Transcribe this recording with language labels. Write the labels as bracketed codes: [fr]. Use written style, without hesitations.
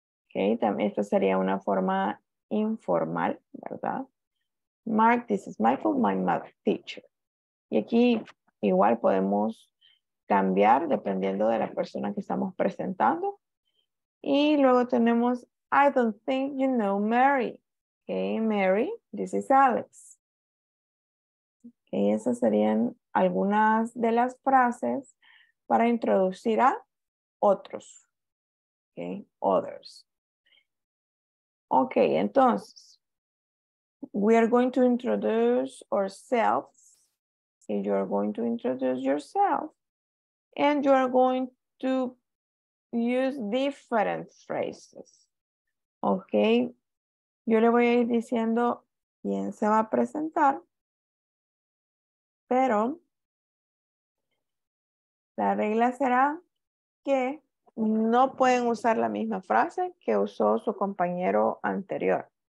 [es] Okay, también esto sería una forma informal, ¿verdad? [en] Mark, this is Michael, my math teacher. [es] Y aquí igual podemos cambiar dependiendo de la persona que estamos presentando. Y luego tenemos, [en] I don't think you know Mary. Okay, Mary, this is Alex. [es] Okay, esas serían algunas de las frases para introducir a [en] otros. Okay, others. Okay, entonces, we are going to introduce ourselves. And you are going to introduce yourself. And you are going to use different phrases. [es] Okay, yo le voy a ir diciendo quién se va a presentar. Pero la regla será que no pueden usar la misma frase que usó su compañero anterior.